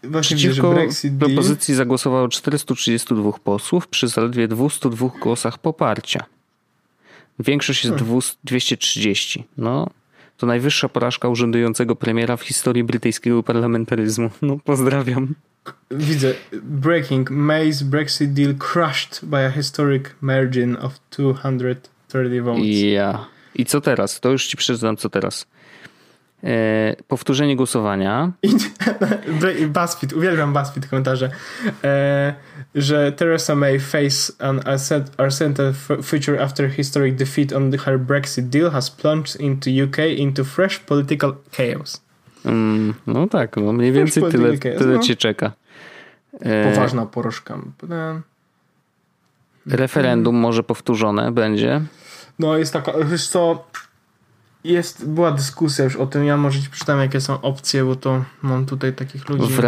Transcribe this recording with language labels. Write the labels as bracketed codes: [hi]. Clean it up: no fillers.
[pl] Przeciwko propozycji zagłosowało 432 posłów przy zaledwie 202 głosach poparcia. Większość jest 230. No. To najwyższa porażka urzędującego premiera w historii brytyjskiego parlamentaryzmu. No, pozdrawiam. Widzę. Breaking. [en] May's Brexit deal crushed by a historic margin of 230 votes. [pl] Yeah. I co teraz? To już ci przeczytam, co teraz. Powtórzenie głosowania. BuzzFeed. Uwielbiam BuzzFeed komentarze. [en] Że Theresa May face an uncertain future after historic defeat on her Brexit deal has plunged into UK into fresh political chaos. [pl] No tak, no mniej więcej tyle, tyle ci czeka. Poważna porażka. Referendum może powtórzone będzie. No jest taka, wiesz co, jest, była dyskusja już o tym, ja może ci przeczytam, jakie są opcje, bo to mam tutaj takich ludzi.